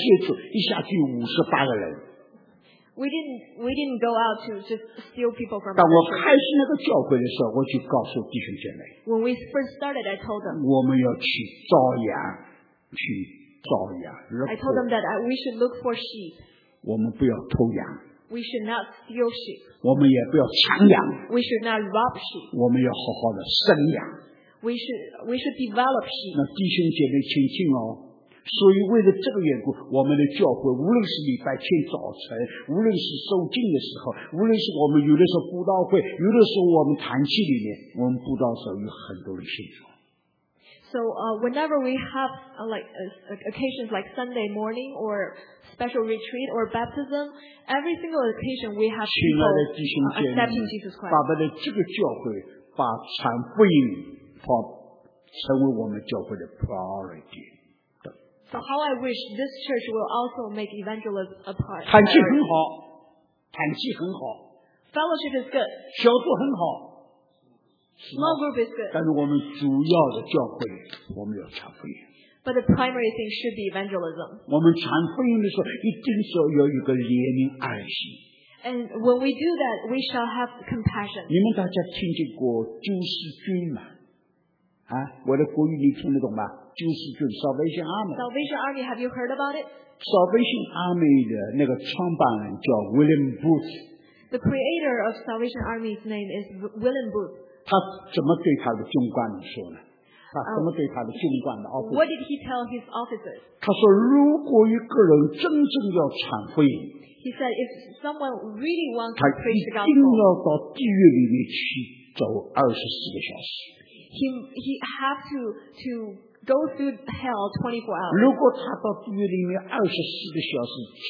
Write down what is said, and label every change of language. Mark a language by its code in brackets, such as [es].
[zh] 我们不是说到别的教会去拉几个人了，他们就是那个垃圾了，那个就是垃圾了，那几个是哇，感谢主，一下就58个人。 [en] We didn't go out to steal people from our church. [zh] 当我开始那个教会的时候，我就告诉弟兄姐妹， [en] When we first started, I told them, [zh] 我们要去招羊，去。 [en] I told them that we should look for sheep. We should not steal sheep. We should not rob sheep. We should develop sheep. [zh] 那弟兄姐妹请进哦。所以为了这个缘故，我们的教会无论是礼拜天早晨，无论是受浸的时候，无论是我们有的时候布道会，有的时候我们团契里面，我们布道的时候有很多的信徒。 [en] So whenever we have occasions like Sunday morning or special retreat or baptism, every single occasion we have people accepting Jesus Christ. [zh] 把这个教会把传福音、把成为我们教会的 priority。 [en] So how I wish this church will also make evangelism a priority. [zh] 团契很好，团契很好。 [en] Fellowship is good. [zh] 小组很好。 [en] Small group is good. [zh] 但是我们主要的教会，我们要传福音。 [en] But the primary thing should be evangelism. [zh] 我们传福音的时候，一定是要有一个怜悯爱心。 [en] And when we do that, we shall have compassion. [zh] 你们大家听见过救世军吗？啊，我的国语你听得懂吗？救世军 Salvation Army. [en] Salvation Army, have you heard about it? [zh] Salvation Army 的那个创办人叫 William Booth. [en] The creator of Salvation Army's name is William Booth. [zh] 他怎么对他的军官说呢？他怎么对他的军官的 officer? [en] What did he tell his officers? [zh] 他说，如果一个人真正要传福音。 [en] He said, if someone really wants to preach the gospel, he has to go through hell 24